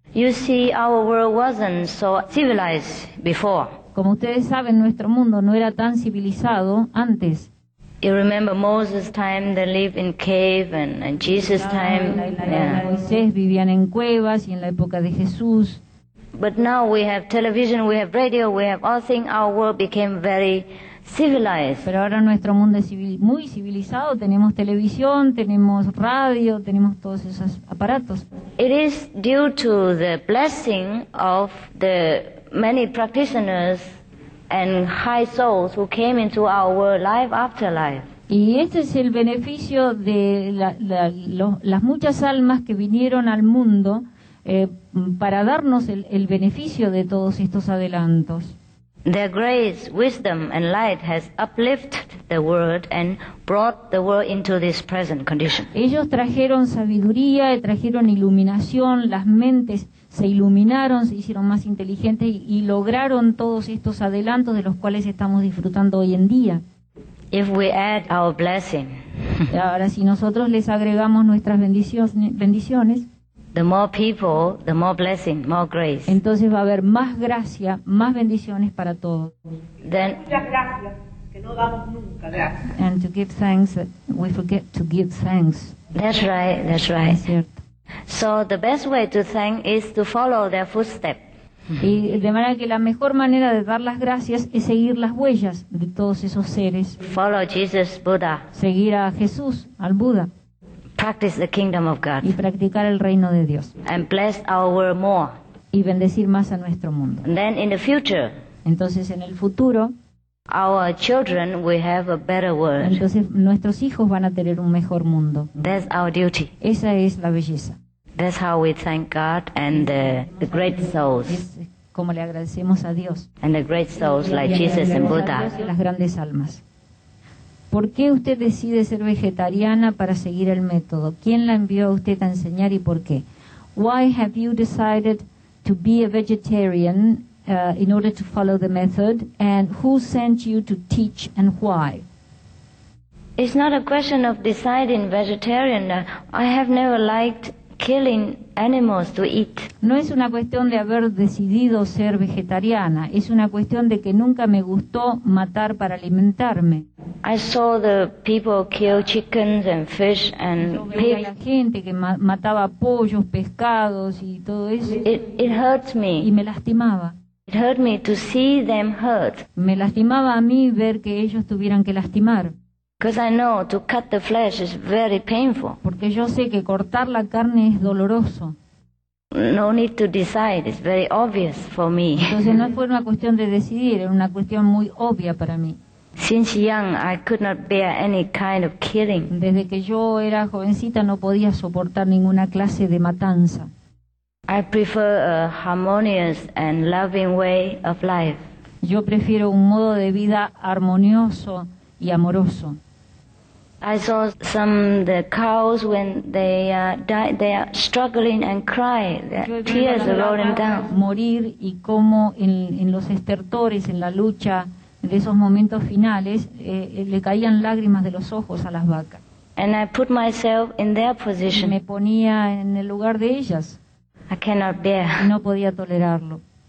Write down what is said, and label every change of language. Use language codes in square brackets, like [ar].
[en] You see, our world wasn't so civilized before. [es] Como ustedes saben, nuestro mundo no era tan civilizado antes. [en] You remember Moses' time, they lived in cave, and Jesus' time. [es] Moisés vivían en cuevas y en la época de Jesús. [en] But now we have television, we have radio, we have all things. Our world became very civilized. [es] Pero ahora nuestro mundo es muy civilizado. Tenemos televisión, tenemos radio, tenemos todos esos aparatos. [en] It is due to the blessing of the many practitioners and high souls who came into our world life after life. [es] Y este es el beneficio de las muchas almas que vinieron al mundo. Para darnos el beneficio de todos estos adelantos. [en] Their grace, wisdom and light has uplifted the world and brought the world into this present condition. [es] Ellos trajeron sabiduría, trajeron iluminación, las mentes se iluminaron, se hicieron más inteligentes y lograron todos estos adelantos de los cuales estamos disfrutando hoy en día. [en] If we add our blessing. [es] Ahora, si nosotros les agregamos nuestras bendiciones, [en] the more people, the more blessing, more grace. [es] Entonces va a haber más gracia, más bendiciones para todos. Then, muchas gracias, que no damos nunca gracias. [en] And to give thanks, we forget to give thanks. That's right, that's right. [es] Es cierto. [en] So the best way to thank is to follow their footsteps. [es] Y de manera que la mejor manera de dar las gracias es seguir las huellas de todos esos seres. [en] Follow Jesus, Buddha. [es] Seguir a Jesús, al Buda. [en] Practice the kingdom of God. [es] Y practicar el reino de Dios. [en] And bless our world more. [es] Y bendecir más a nuestro mundo. [en] And then in the future. [es] Entonces en el futuro. [en] Our children will have a better world. [es] Entonces nuestros hijos van a tener un mejor mundo. [en] That's our duty. [es] Esa es la belleza. [en] That's how we thank God and the great souls. [es] Es como le agradecemos a Dios. [en] And the great souls like Jesus and Buddha. [es] Y las grandes almas. ¿Por qué usted decide ser vegetariana para seguir el método? ¿Quién la envió a usted a enseñar y por qué? [en] Why have you decided to be a vegetarian in order to follow the method? And who sent you to teach and why? It's not a question of deciding vegetarian. I have never liked killing animals to eat. [es] No es una cuestión de haber decidido ser vegetariana, es una cuestión de que nunca me gustó matar para alimentarme. [en] I saw the people kill chickens and fish and [es] pigs. Yo veía a la gente que mataba pollos, pescados y todo eso. [en] It hurts me. [es] Y me lastimaba. [en] It hurt me to see them hurt. [es] Me lastimaba a mí ver que ellos tuvieran que lastimar. [en] Because I know to cut the flesh is very painful. [es] Porque yo sé que cortar la carne es doloroso. [en] No need to decide, it's very obvious for me. [es] Entonces no fue una cuestión de decidir, era una cuestión muy obvia para mí. [en] Since young, I could not bear any kind of killing. [es] Desde que yo era jovencita no podía soportar ninguna clase de matanza. [en] I prefer a harmonious and loving way of life. [es] Yo prefiero un modo de vida armonioso y amoroso. [en] I saw some the cows when they died, they are struggling and cry, tears are rolling down. [es] Morir y cómo en los estertores, en la lucha de esos momentos finales, le caían lágrimas de los ojos a las vacas. [en] And I put myself in their position. [es] Me ponía en el lugar de ellas. [en] I cannot bear. [es] No podía tolerarlo.